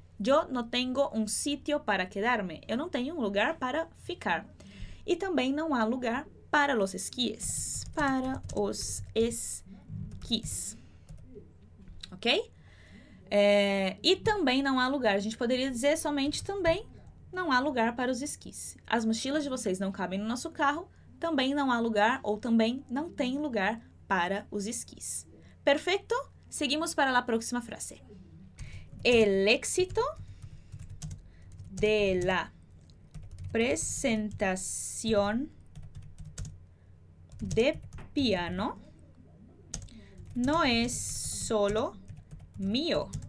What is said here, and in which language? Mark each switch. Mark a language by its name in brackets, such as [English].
[Spanish] Yo no tengo un sitio para quedarme. [Portuguese] Eu não tenho um lugar para ficar. E também não há lugar [Spanish] para los esquíes. [Portuguese] Para os esquís. Ok? E também não há lugar. A gente poderia dizer somente também não há lugar para os esquis. As mochilas de vocês não cabem no nosso carro, também não há lugar ou também não tem lugar para os esquis. Perfeito? Seguimos para a próxima frase. [Spanish] El éxito de la presentación de piano no es solo mío.